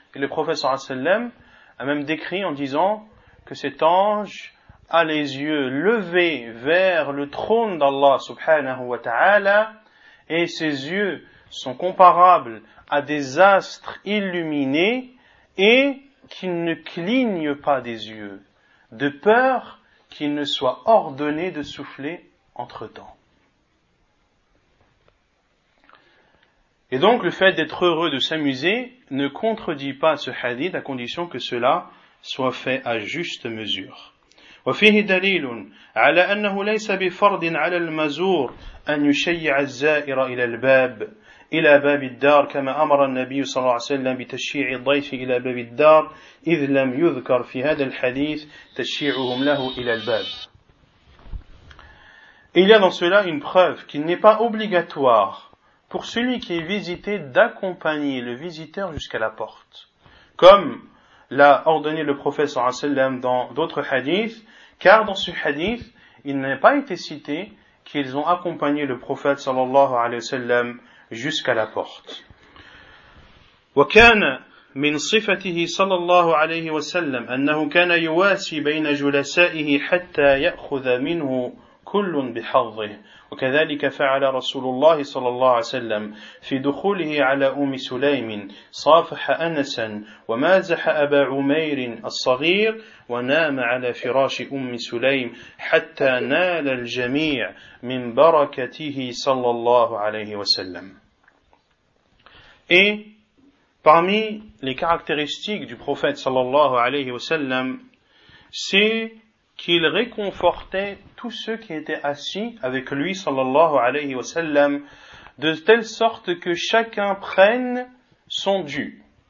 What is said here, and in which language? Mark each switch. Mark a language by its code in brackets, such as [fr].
[fr] Et le prophète sallallahu alayhi wa sallam a même décrit en disant que cet ange a les yeux levés vers le trône d'Allah subhanahu wa ta'ala et ses yeux sont comparables à des astres illuminés et qu'il ne cligne pas des yeux de peur qu'il ne soit ordonné de souffler entre temps. Et donc le fait d'être heureux de s'amuser ne contredit pas ce hadith à condition que cela soit fait à juste mesure. [ar] وفيه دليل على أنه ليس بفرض على المزور أن يشيع الزائر إلى الباب إلى باب الدار كما أمر النبي صلى الله عليه وسلم بتشيع الضيف إلى باب الدار إذ لم يذكر في هذا الحديث تشيعهم له إلى الباب. [fr] Il y a dans cela une preuve qu'il n'est pas obligatoire pour celui qui est visité d'accompagner le visiteur jusqu'à la porte. Comme l'a ordonné le prophète sallallahu alayhi wa sallam dans d'autres hadiths, car dans ce hadith, il n'a pas été cité qu'ils ont accompagné le prophète sallallahu alayhi wa sallam jusqu'à la porte. [ar] وكان من صفته صلى الله عليه وسلم أنه كان يواسي بين جلسائه حتى يأخذ منه كل بحظه وكذلك فعل رسول الله صلى الله عليه وسلم في دخوله على أم سليم صافح أنسا ومازح أبا عمير الصغير ونام على فراش أم سليم حتى نال الجميع من بركته صلى الله عليه وسلم. [fr] Et parmi les caractéristiques du prophète صلى الله عليه وسلم c'est qu'il réconfortait tous ceux qui étaient assis avec lui, sallallahu alayhi wa sallam, de telle sorte que chacun prenne son dû.